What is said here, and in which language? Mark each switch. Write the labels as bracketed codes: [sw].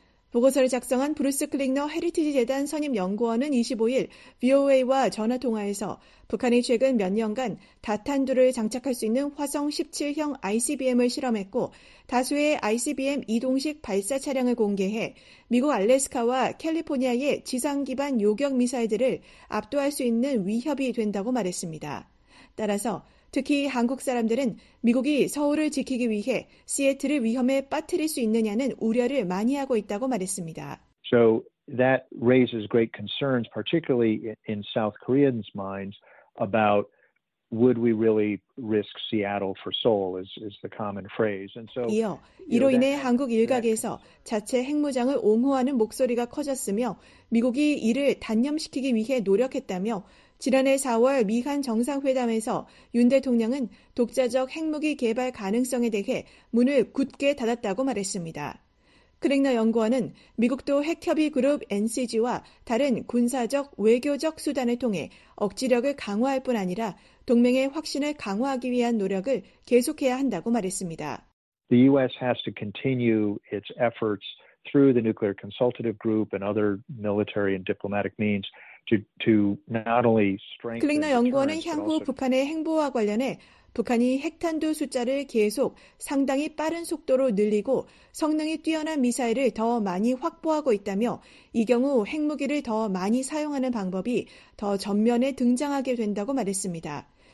[ko] 보고서를 작성한 브루스 클릭너 헤리티지 재단 선임 연구원은 25일 VOA와 전화통화에서 북한이 최근 몇 년간 다탄두를 장착할 수 있는 화성 17형 ICBM을 실험했고 다수의 ICBM 이동식 발사 차량을 공개해 미국 알래스카와 캘리포니아의 지상기반 요격미사일들을 압도할 수 있는 위협이 된다고 말했습니다. 따라서 특히 한국 사람들은 미국이 서울을 지키기 위해 시애틀을 위험에 빠뜨릴 수 있느냐는 우려를 많이 하고 있다고 말했습니다. [en] So that raises great concerns, particularly in South Koreans' minds, about would we really risk Seattle for Seoul is the common phrase. And so, [ko] 이어 이로 인해 한국 일각에서 자체 핵무장을 옹호하는 목소리가 커졌으며 미국이 이를 단념시키기 위해 노력했다며 지난해 4월 미한 정상회담에서 윤 대통령은 독자적 핵무기 개발 가능성에 대해 문을 굳게 닫았다고 말했습니다. 크릭너 연구원은 미국도 핵협의 그룹 NCG와 다른 군사적, 외교적 수단을 통해 억지력을 강화할 뿐 아니라 동맹의 확신을 강화하기 위한 노력을 계속해야 한다고 말했습니다. [en] The U.S. has to continue its efforts through the Nuclear Consultative Group and other military and diplomatic means. [ko] 클릭너 연구원은 향후 북한의 행보와 관련해 북한이 핵탄두 숫자를 계속 상당히 빠른 속도로 늘리고 성능이 뛰어난 미사일을 더 많이 확보하고 있다며 이 경우 핵무기를 더 많이 사용하는 방법이 더 전면에 등장하게 된다고 말했습니다.